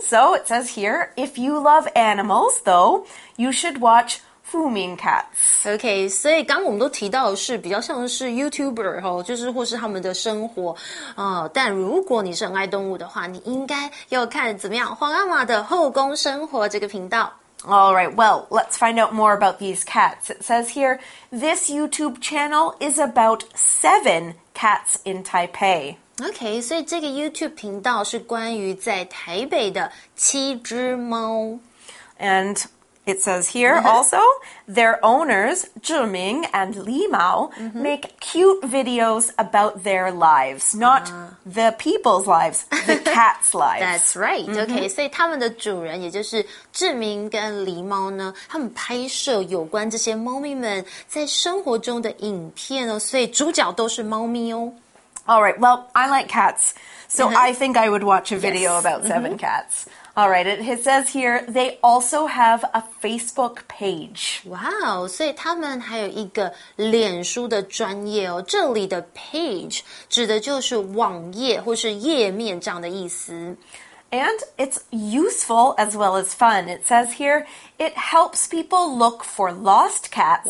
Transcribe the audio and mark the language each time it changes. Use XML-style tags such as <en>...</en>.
<en>So it says here, if you love animals, though, you should watch... Fu Min Cats.</en> <zh>Okay, 所以刚刚我们都提到的是比较像是 YouTuber 哦，就是或是他们的生活啊、但如果你是很爱动物的话，你应该要看怎么样皇阿玛的后宫生活这个频道。</zh> <en>All right, well, let's find out more about these cats. It says here, this YouTube channel is about 7 cats in Taipei.</en> <zh>Okay, 所以这个 YouTube 频道是关于在台北的七只猫</zh> <en>and. It says here, also, their owners, Zheming and Li Mao, make cute videos about their lives. Not the people's lives, the cat's lives. That's right.</en> <zh>Okay, 所以他们的主人也就是 Zheming 跟 Li Mao 呢，他们拍摄有关这些猫咪们在生活中的影片哦，所以主角都是猫咪哦。</zh> <en>All right, well, I like cats, so I think I would watch a video about 7 cats. All right, it says here, they also have a Facebook page.</en> <zh>Wow, 所以他们还有一个脸书的专页哦。这里的 page 指的就是网页或是页面这样的意思。</zh> <en>And it's useful as well as fun. It says here, it helps people look for lost cats.</en>